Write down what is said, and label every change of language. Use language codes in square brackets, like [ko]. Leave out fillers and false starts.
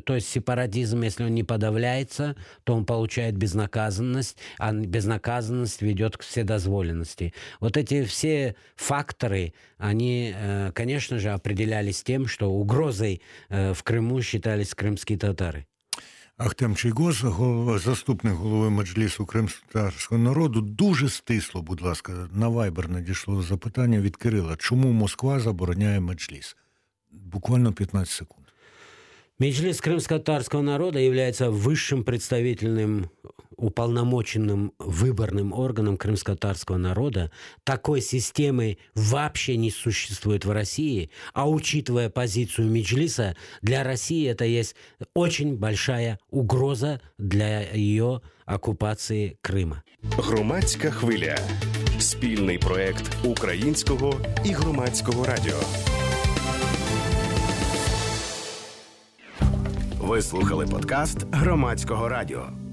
[ru] То есть сепаратизм, если он не подавляется, то он получает безнаказанность, а безнаказанность ведет к вседозволенности. Вот эти все факторы, они, конечно же, определялись тем, что угрозой в Крыму считались крымские татары. [uk] Ахтем Чийгоз, заступник голови Меджлісу кримсько-татарського народу. Дуже стисло, будь ласка, на Вайбер надійшло запитання від Кирила. Чому Москва забороняє Меджліс? Буквально 15 секунд. [ru] Меджлис крымско-татарского народа является высшим представительным уполномоченным выборным органом крымско-татарского народа. Такой системы вообще не существует в России. А учитывая позицию Меджлиса, для России это есть очень большая угроза для ее оккупации Крыма. [uk] Громадська хвиля. Спільний проект Українського і Громадського радіо. Ви слухали подкаст Громадського радіо.